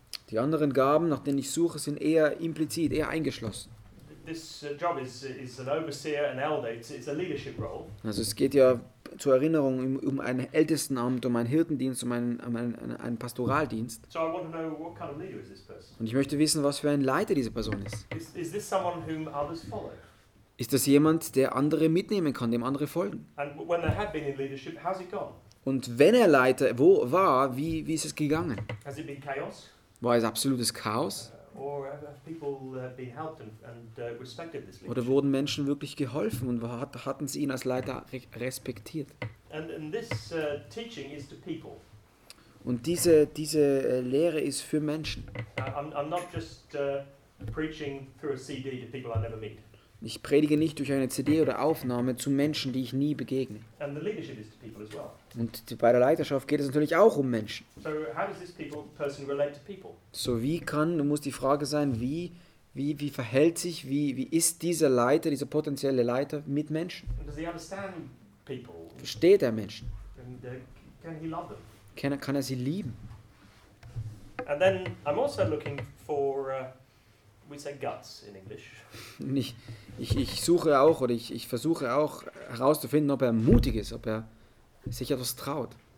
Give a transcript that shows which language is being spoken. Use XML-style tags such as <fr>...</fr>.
<de>Die anderen Gaben, nach denen ich suche, sind eher implizit, eher eingeschlossen.</de> <en>This job is an overseer, an elder. It's a leadership role.</en> <de>Also es geht ja zur Erinnerung um ein Ältestenamt, um einen Hirtendienst, um einen Pastoraldienst.</de> <en>So I want to know what kind of leader is this person.</en> <de>Und ich möchte wissen, was für ein Leiter diese Person ist.</de> <en>Is this someone whom others follow?</en> <de>Ist das jemand, der andere mitnehmen kann, dem andere folgen?</de> <en>And when they have been in leadership, how's it gone?</en> <de>Und wenn er Leiter wie ist es gegangen?</de> <en>Has it been chaos?</en> <de>War es absolutes Chaos?</de> <en>Or have people been helped and respected this leadership?</en> <de>Oder wurden Menschen wirklich geholfen und hatten sie ihn als Leiter respektiert?</de> <en>And this teaching is to people.</en> <de>Und diese Lehre ist für Menschen.</de> <en>I'm not just preaching through a CD to people I never meet.</en> <de>Ich predige nicht durch eine CD oder Aufnahme zu Menschen, die ich nie begegne.</de> <en>And the leadership is to people as well.</en> <de>Und bei der Leiterschaft geht es natürlich auch um Menschen.</de> <en>So, how does this people, person relate to people?</en> <de>So wie kann, du musst die Frage sein, wie verhält sich, wie ist dieser Leiter, dieser potenzielle Leiter mit Menschen?</de> <en>And does he understand people?</en> <de>Versteht er Menschen?</de> <en>And, can he love them?</en> <de>Kann er sie lieben?</de> <en>And then I'm also looking for we say guts in English.</en> <de>Ich versuche auch herauszufinden, ob er mutig ist, ob er sich etwas traut.</de>